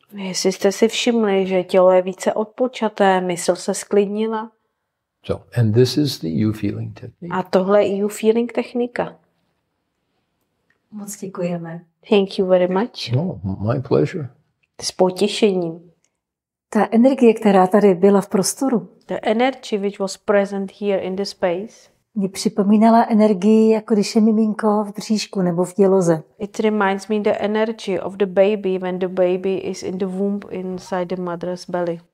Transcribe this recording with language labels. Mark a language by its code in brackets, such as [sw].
[cs] Jestli jste si všimli, že tělo je více odpočaté, mysl se sklidnila. [en] So, and this is the you feeling technique. [cs] A tohle je you feeling technika. Moc děkujeme. [en] Thank you very much. No, my pleasure. [cs] S potěšením. Ta energie, která tady byla v prostoru. [en] The energy which was present here in the space. [cs] Mě připomínala energii, jako když je miminko v bříšku nebo v děloze. [en] It reminds me the energy of the baby when the baby is in the womb inside the mother's belly.